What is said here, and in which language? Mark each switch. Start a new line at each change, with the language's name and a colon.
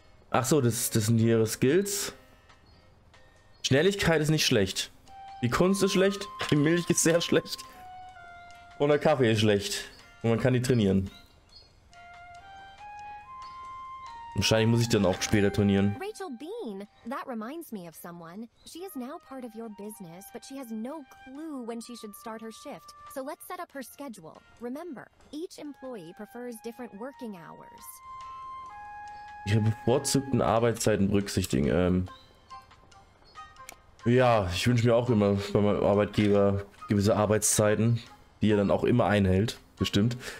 German: Ach so, das sind ihre Skills. Schnelligkeit ist nicht schlecht. Die Kunst ist schlecht. Die Milch ist sehr schlecht. Und der Kaffee ist schlecht. Und man kann die trainieren. Wahrscheinlich muss ich dann auch später trainieren.
English: Rachel Bean, that reminds me of someone. She is now part of your business, but she has no clue when she should start her shift. So let's set up her schedule. Remember, each employee prefers different working hours.
German: Ihre bevorzugten Arbeitszeiten berücksichtigen. Ja, ich wünsche mir auch immer bei meinem Arbeitgeber gewisse Arbeitszeiten, die er dann auch immer einhält. Bestimmt.